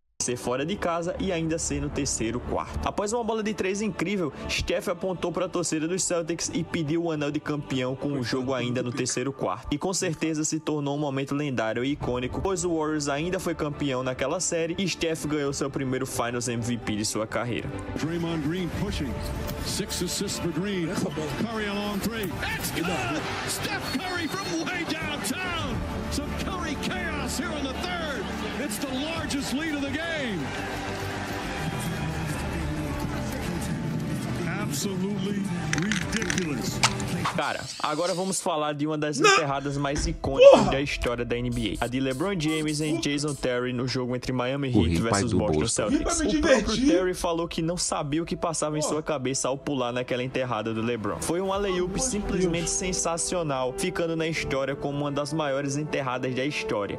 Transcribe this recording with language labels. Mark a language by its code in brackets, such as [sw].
[pt] Ser fora de casa e ainda ser no terceiro quarto. Após uma bola de 3 incrível, Steph apontou para a torcida dos Celtics e pediu o anel de campeão com o jogo ainda no terceiro quarto. E com certeza se tornou um momento lendário e icônico, pois o Warriors ainda foi campeão naquela série e Steph ganhou seu primeiro Finals MVP de sua carreira. [en] Draymond Green pushing. 6 assists for Green. Curry along 3. Steph Curry from way downtown. Some Curry chaos here on the third. It's the largest lead of the game. Absolutely ridiculous. [pt] Cara, agora vamos falar de uma das enterradas mais icônicas da história da NBA. A de LeBron James e Jason Terry no jogo entre Miami Heat versus Boston Celtics. O próprio Terry falou que não sabia o que passava em sua cabeça ao pular naquela enterrada do LeBron. Foi um alley-oop simplesmente sensacional, ficando na história como uma das maiores enterradas da história.